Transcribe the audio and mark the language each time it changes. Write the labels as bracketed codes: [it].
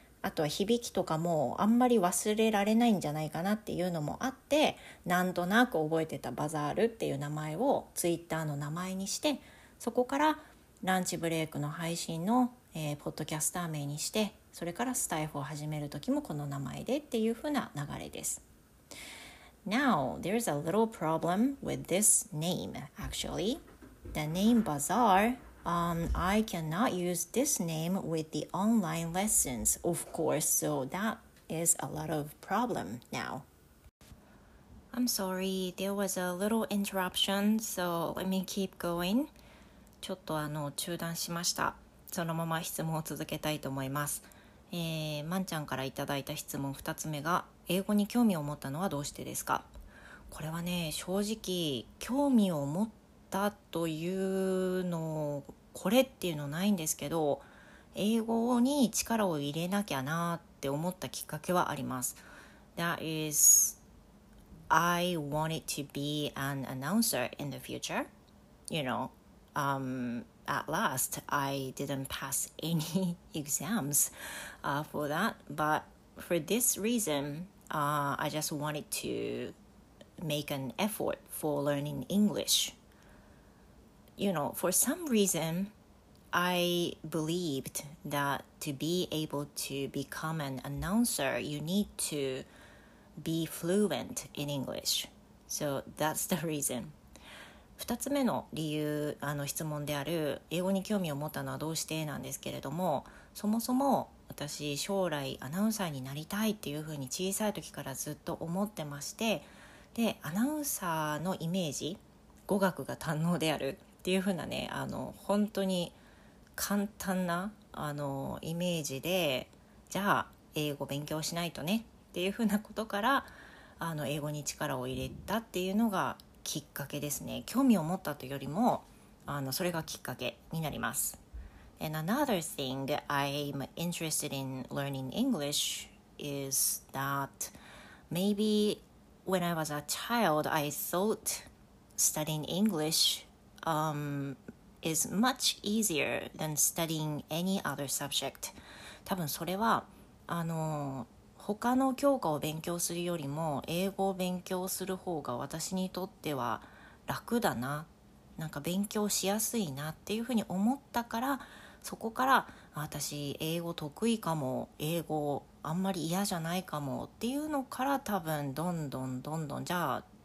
[ja] あとは響きとかもあんまり忘れられないんじゃないかなっていうのもあって、なんとなく覚えてたバザールっていう名前をツイッターの名前にして、そこからランチブレイクの配信の、ポッドキャスター名にして、それからスタイフを始める時もこの名前でっていう風な流れです。 [en] Now, there's a little problem with this name, actually. The name Bazaar, I cannot use this name with the online lessons, of course, so that is a lot of problem now. I'm sorry, there was a little interruption, so let me keep going. [ja] ちょっとあの中断しました。そのまま質問を続けたいと思います。まんちゃんからいただいた質問2つ目が、英語に興味を持ったのはどうしてですか。これはね、正直興味を持ったというのこれっていうのないんですけど、英語に力を入れなきゃなって思ったきっかけはあります。 [en] That is I wanted to be an announcer in the future. You know, at last I didn't pass any exams for that, but for this reasonI just wanted to make an effort for learning English. You know, for some reason, I believed that to be able to become an announcer, you need to be fluent in English. So that's the reason. [ja] 2つ目の理由、質問である英語に興味を持ったのはどうしてなんですけれども、そもそも私将来アナウンサーになりたいっていうふうに小さい時からずっと思ってまして、でアナウンサーのイメージ、語学が堪能であるっていうふうなね、本当に簡単なイメージで、じゃあ英語勉強しないとねっていうふうなことから英語に力を入れたっていうのがきっかけですね。興味を持ったというよりもそれがきっかけになります。 [en] And another thing I'm interested in learning English is that maybe when I was a child I thought studying English is much easier than studying any other subject. [ja] 多分それは他の教科を勉強するよりも英語を勉強する方が私にとっては楽だな、なんか勉強しやすいなっていうふうに思ったから、そこから私英語得意かも、英語あんまり嫌じゃないかもっていうのから、多分どんどんどんどん、じゃあ